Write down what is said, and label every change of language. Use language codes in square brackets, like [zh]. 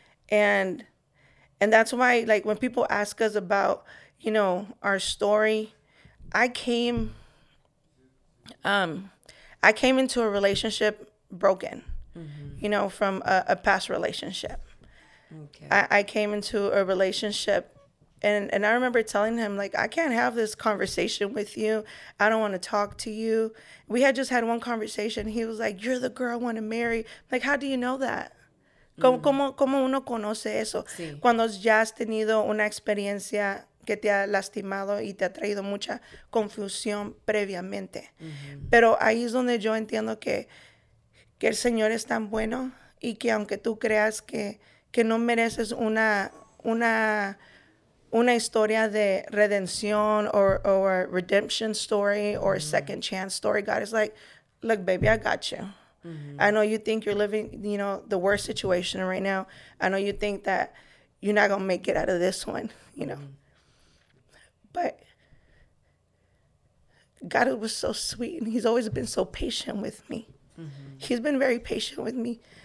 [en] And that's why, like, when people ask us about, you know, our story, I came into a relationship broken, mm-hmm, you know, from a past relationship. Okay. I came into a relationship and I remember telling him, like, I can't have this conversation with you. I don't want to talk to you. We had just had one conversation. He was like, you're the girl I want to marry. Like, how do you know that? Mm-hmm. [es] ¿Cómo uno conoce eso? Sí. Cuando ya has tenido una experiencia que te ha lastimado y te ha traído mucha confusión previamente. Mm-hmm. Pero ahí es donde yo entiendo que el Señor es tan bueno y que aunque tú creas que no mereces una historia de redención [en] or a redemption story or mm-hmm a second chance story, God is like, look, baby, I got you. Mm-hmm. I know you think you're living, you know, the worst situation right now. I know you think that you're not going to make it out of this one, you know. Mm-hmm. But God was so sweet, and he's always been so patient with me. Mm-hmm. He's been very patient with me.